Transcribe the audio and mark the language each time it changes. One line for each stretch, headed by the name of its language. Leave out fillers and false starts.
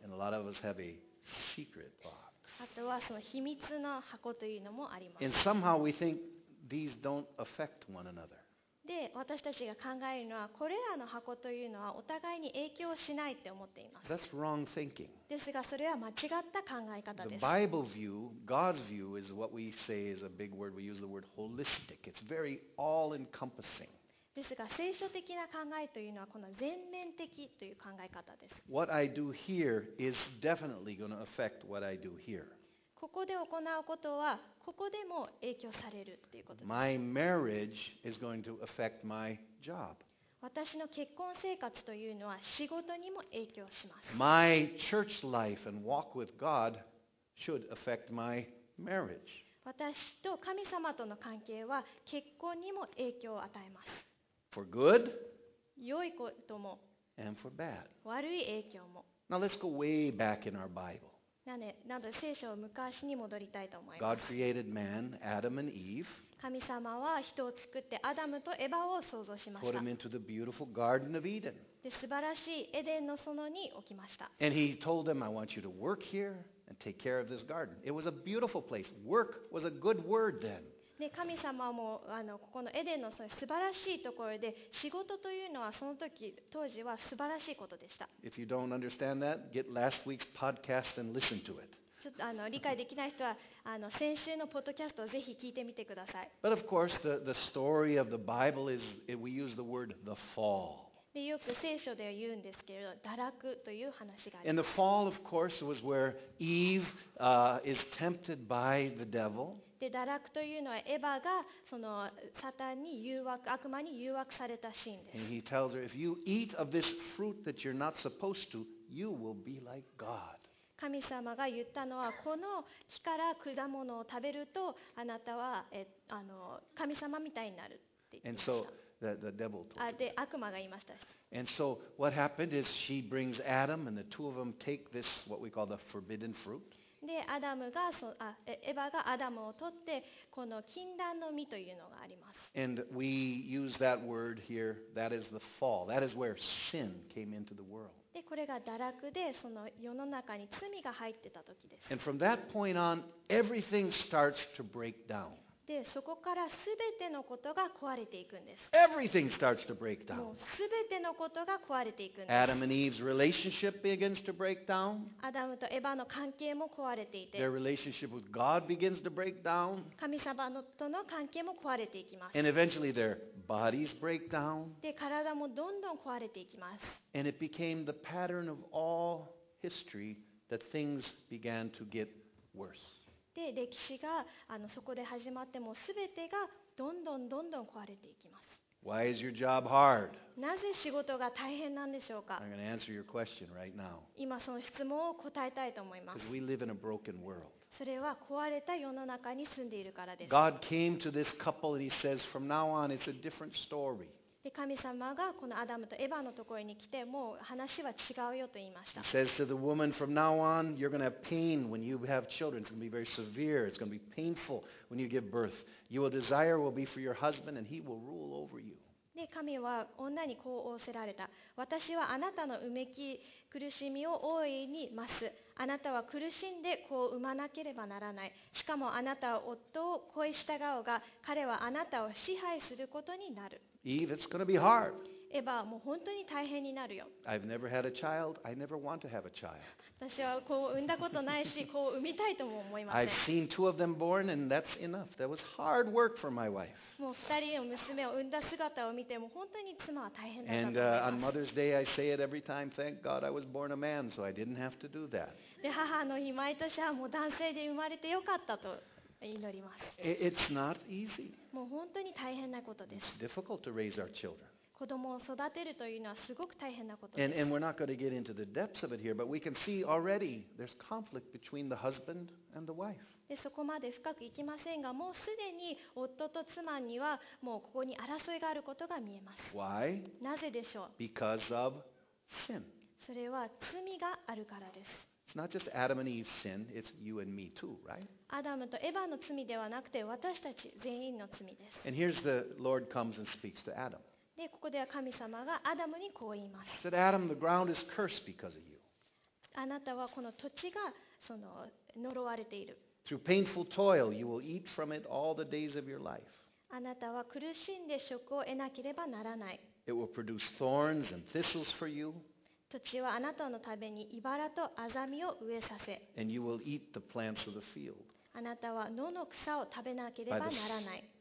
English: And a lot of us have a secret box.
Japanese: あとはその秘密の箱というのもあります。
English: And somehow we think these don't affect one another.
Japanese: で、私たちが考えるのは、これらの箱というのはお互いに影響しないって思っています。
English: That's wrong thinking.
Japanese: ですが、それは間違った考え方です。
English: The Bible view, God's view, is what we say is a big word. We use the word holistic. It's very all-encompassing.
Japanese: ですが、聖書的な考えというのはこの全面的という考え方です。
English: What I do here is definitely going to affect what I do here.
Japanese: ここで行うことはここでも影響されるということです。
English: My marriage is going to affect my job.
Japanese: 私の結婚生活というのは仕事にも影響します。
English: My church life and walk with God should affect my marriage.
Japanese: 私と神様との関係は結婚にも影響を与えます。
English: For good,
Japanese: 良いことも、
English: and for bad.
Japanese: 悪い影響も。
English: Now let's go way back in our Bible.
Japanese: なので聖書を昔に戻りたいと思います。
English: God created man, Adam and Eve.
Japanese: 神様は人を作ってアダムとエバを創造しました。
English: Put him into the beautiful Garden of Eden.
Japanese: で、素晴らしいエデンの園に置きました。
English: And he told them, I want you to work here and take care of this garden. It was a beautiful place. Work was a good word then.
Japanese: で、神様もここのエデンの素晴らしいところで仕事というのはその時当時は素晴らしいことでした。
English: If you don't understand that, get last week's podcast and listen to it.
Japanese: ちょっと理解できない人は先週のポッドキャストをぜひ聞いてみてください。
English: But of course, the story of the Bible is we use the word the fall.
Japanese: でよく聖書では言うんですけれど、堕落という話があります。
English: In the fall, of course, was where Eve, is tempted by the devil.
Japanese: で、堕落というのはエヴァがそのサタンに誘惑、悪魔に誘惑されたシーンです。
English: And he tells her, if you eat of this fruit that you're not supposed to, you will be like God.
Japanese: 神様が言ったのは、この木から果物を食べるとあなたは神様みたいになるって言ってました。
English: And so,The devil told her.
Japanese: 悪魔が言いました。
English: And so what happened is she brings Adam and the two of them take this what we call the forbidden fruit.
Japanese: で、アダムが、エヴァがアダムを取ってこの禁断の実というのがあります。
English: And we use that word here. That is the fall. That is where sin came into the world.
Japanese: で、これが堕落でその世の中に罪が入ってた時です。
English: And from that point on, everything starts to break down.
Japanese: でそこからすべてのことが壊れていくんです。
English: Everything starts to break down.
Japanese: すべてのことが壊れていくんです。
English: Adam and Eve's relationship begins to break down.
Japanese: アダムとエヴァの関係も壊れていて。
English: Their relationship with God begins to break down.
Japanese: 神様との関係も壊れていきます。
English: And eventually their bodies break down.
Japanese: で体もどんどん壊れていきます。
English: And it became the pattern of all history that things began to get worse.
Japanese: で歴史がそこで始まってもすべてがどんどんどんどん壊れていきます。
English: Why is your job hard?
Japanese: なぜ仕事が大変なんでしょうか?
English: I'm going to answer your question right now.
Japanese: 今その質問を答えたいと思います。
English: Because we live in a broken world.
Japanese: それは壊れた世の中に住んでいるからです。
English: God came to this couple and he says, from now on, it's a different story.
Japanese: で神様がこのアダムとエヴァのところに来てもう話は違うよと言いました。
English: He says to the woman, from now on, you're going to have pain when you have children. It's going to be very severe. It's going to be painful when you give birth. Your desire will be for your husband, and he will rule over you.
Japanese: で神は女にこう仰せられた。私はあなたのうめき苦しみを大いに増す。あなたは苦しんで子を産まなければならない。しかもあなたは夫を恋したがおが、彼はあなたを支配することになる。
English: Eve, it's going to be hard.
Japanese: エヴァ、もう本当に大変になるよ。
English: I've never had a child. I never want to have a child.
Japanese: 私は子を産んだことないし、子を産みたいとも思いません。
English: I've seen two of them born, and that's enough. That was hard work for my wife.
Japanese: もう二人の娘を産んだ姿を見ても本当に妻は大変だったと思います。
English: And on Mother's Day, I say it every time. Thank God I was born a man, so I didn't have to do that.
Japanese: で、母の日毎年はもう男性で生まれてよかったと。
English: It's not easy.
Japanese: もう本当に大変なことです。
English: It's difficult to raise our children.
Japanese: 子供を育てるというのはすごく大変なことです。
English: And we're not going to get into the depths of it here, but we can see already there's conflict between the husband and the wife.
Japanese: でそこまで深くいきませんが、もうすでに夫と妻にはもうここに争いがあることが見えます。
English: Why?
Japanese: なぜでしょう?
English: Because of sin.
Japanese: それは罪があるからです。
English: It's not just Adam and Eve's sin, it's you and me too, right?
Japanese: アダムとエヴァの罪ではなくて私たち全員の罪です。
English: And here's the Lord comes and speaks to Adam.
Japanese: で、ここでは神様がアダムにこう言います。
English: He said, Adam, the ground is cursed because of you.
Japanese: あなたはこの土地がその呪われている。
English: Through painful toil, you will eat from it all the days of your life.
Japanese: あなたは苦しんで食を得なければならない。
English: It will produce thorns and thistles for you.
Japanese: 土地はあなたのために茨とアザミを植えさせ。
English: And you will eat the plants of the field.
Japanese: あなたは野の草を食べなければならない。